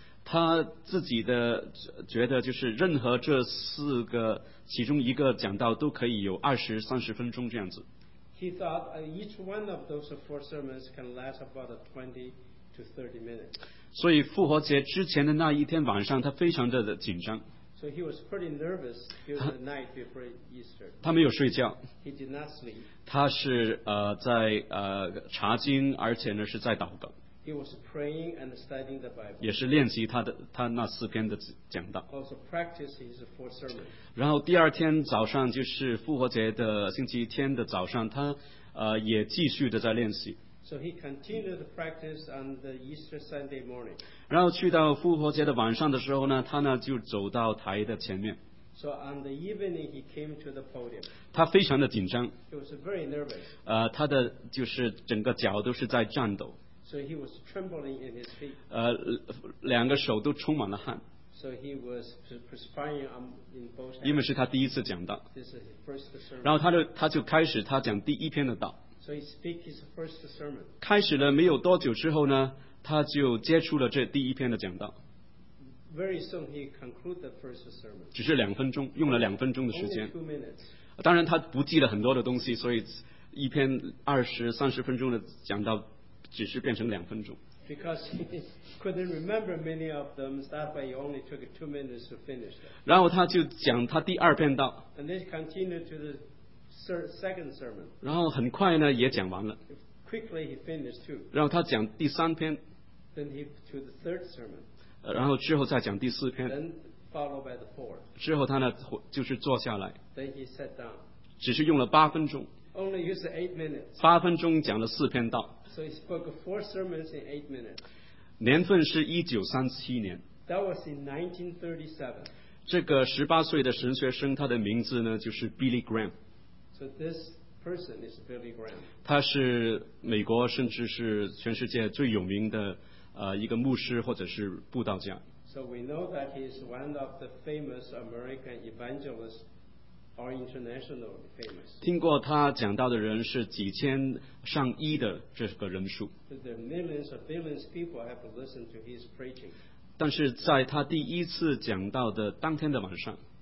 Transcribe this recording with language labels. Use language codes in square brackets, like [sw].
[zh] 他自己的觉得就是任何这四个其中一个讲道都可以有二十三十分钟这样子。 [en] He thought each one of those four sermons can last about 20 to 30 minutes. [zh] 所以复活节之前的那一天晚上，他非常的紧张。 [en] So he was pretty nervous during the night before Easter. [zh] 他没有睡觉。 [en] He did not sleep. [zh] 他是在查经，而且呢是在祷告。 [en] He was praying and studying the Bible. [zh] 也是练习他那四篇的讲道。 [en] Also practiced his four sermons. [zh] 然后第二天早上，就是复活节的星期天的早上，他也继续的在练习。 [en] So he continued to practice on the Easter Sunday morning. [zh] 然后去到复活节的晚上的时候呢，他呢就走到台的前面。 [en] So on the evening he came to the podium. [zh] 他非常的紧张。 [en] He was very nervous. [zh] 他的就是整个脚都是在颤抖。 [en] So he was trembling in his feet. [zh] 两个手都充满了汗。 [en] So he was perspiring in both hands. [zh] 因为是他第一次讲道。 [en] This is his first sermon. [zh] 然后他就开始他讲第一篇的道。 [en] So he speak his first sermon. [zh] 开始了没有多久之后呢，他就接触了这第一篇的讲道。 [en] Very soon he concluded the first sermon. [zh] 只是两分钟，用了两分钟的时间。 [en] Only two minutes. [zh] 当然他不记了很多的东西，所以一篇二十三十分钟的讲道。只是变成两分钟。 [en] Because he couldn't remember many of them, that's why he only took 2 minutes to finish. [zh] 然后他就讲他第二篇道。 [en] And then continued to the second sermon. [zh] 然后很快呢也讲完了。 [en] Quickly he finished too. [zh] 然后他讲第三篇。 [en] Then he to the third sermon. [zh] 然后之后再讲第四篇。 [en] Then followed by the fourth. [zh] 之后他呢就是坐下来。 [en] Then he sat down. [zh] 只是用了八分钟。 [en] Only used 8 minutes. [zh] 八分钟讲了四篇道。 [en] So he spoke 4 sermons in 8 minutes. [zh] 年份是1937年。 [en] That was in 1937. [zh] 这个18岁的神学生，他的名字呢就是 Billy Graham. [en] So this person is Billy Graham. [zh] 他是美国甚至是全世界最有名的一个牧师或者是布道家。 [en] So we know that he is one of the famous American evangelists. Or international famous. [zh] 听过他讲道的人是几千上亿的这个人数。 [en] There are millions or billions of people have listened to his preaching. [zh] 但是在他第一次讲道的当天的晚上。